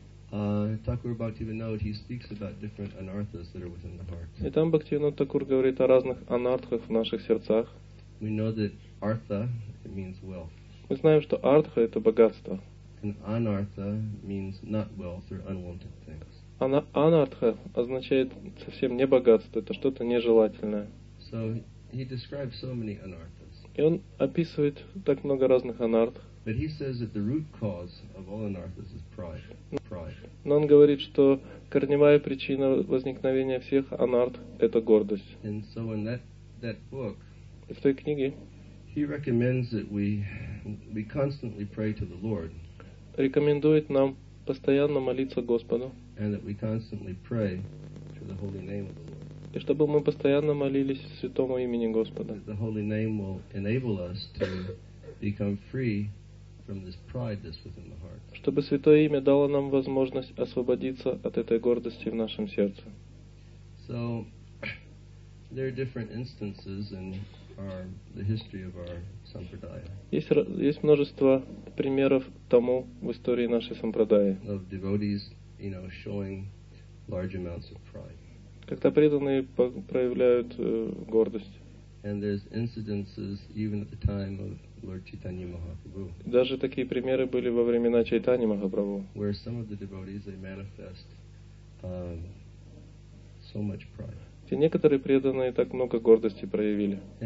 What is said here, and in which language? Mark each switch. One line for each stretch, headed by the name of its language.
English: Thakur Bhaktivinoda, he speaks about different anarthas that are within the heart.
Russian: И там Бхактивинода Такур говорит о разных анартхах в наших сердцах.
English: We know that artha it means wealth.
Russian: Мы знаем, что артха это богатство.
English: And anartha means not wealth or unwanted things.
Russian: Анартха означает совсем не богатство, это что-то нежелательное.
English: So he describes so many anarthas.
Russian: И он описывает так много разных анартх.
English: But he says that the root cause of all anarthas is pride.
Russian: Но он говорит, что корневая причина возникновения всех анартх – это гордость.
English: And so in that book,
Russian: и в той книге,
English: he recommends that we constantly pray to the Lord.
Russian: Рекомендует нам постоянно молиться Господу.
English: And that we constantly pray to the holy name of the Lord.
Russian: И чтобы мы постоянно молились Святому имени Господа.
English: The holy name will enable us to become free from this pride that's within the heart.
Russian: Чтобы Святое имя дало нам возможность освободиться от этой гордости в нашем сердце.
English: So there are different instances in the history of our sampradaya.
Russian: Есть множество примеров тому в истории нашей сампрадаи.
English: Of devotees, you know, showing large amounts of pride.
Russian: Когда преданные проявляют гордость.
English: And there's incidences even at the time of Lord Chaitanya Mahaprabhu.
Russian: Даже такие примеры были во времена Чайтани Махапрабху.
English: Where some of the devotees they manifest so much pride.
Russian: И некоторые преданные так много гордости проявили.